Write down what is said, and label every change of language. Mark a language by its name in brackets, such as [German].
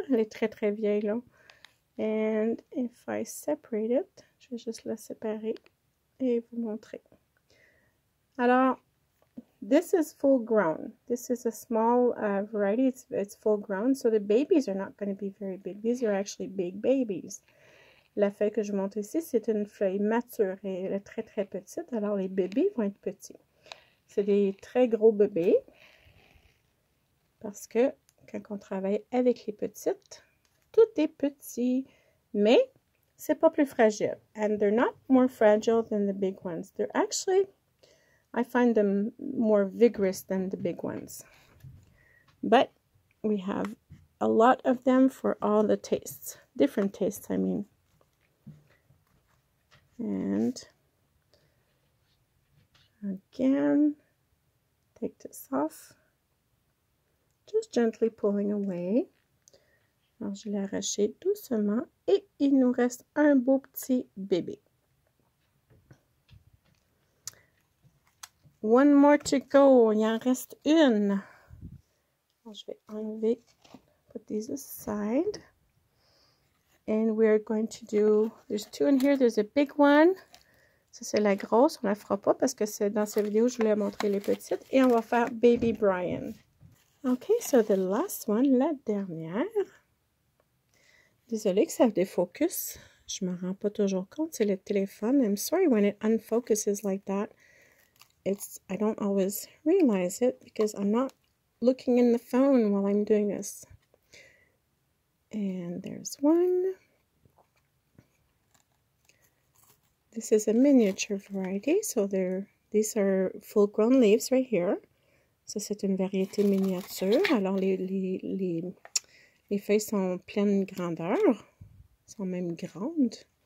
[French] Elle est très, très vieille, là. [English] And if I separate it, [French] je vais juste la séparer et vous montrer. [English] Alors, this is full grown. This is a small variety. It's full grown. So the babies are not going to be very big. These are actually big babies. [French] La feuille que je montre ici, c'est une feuille mature. Et elle est très, très petite. Alors, les bébés vont être petits. C'est des très gros bébés. Parce que quand on travaille avec les petites, tout est petit, mais c'est pas plus fragile. [English] And they're not more fragile than the big ones. They're actually, I find them more vigorous than the big ones. But We have a lot of them for all the tastes, different tastes, I mean. And again, take this off, just gently pulling away. [French] Alors, je l'ai arraché doucement et il nous reste un beau petit bébé. [English] One more to go. [French] Il en reste une. Alors, je vais enlever, [English] put these aside. And we're going to do, there's two in here. There's a big one. [French] Ça, c'est la grosse. On la fera pas parce que c'est dans cette vidéo, je voulais montrer les petites. Et on va faire baby Brian. [English] Okay, so the last one, [French] la dernière. Désolée que ça défocus. Je me rends pas toujours compte. C'est le téléphone. [English] I'm sorry when it unfocuses like that. I don't always realize it because I'm not looking in the phone while I'm doing this. And there's one. This is a miniature variety. So these are full grown leaves right here. [French] Ça, c'est une variété miniature. Alors, les feuilles sont pleines grandeur, sont même grandes.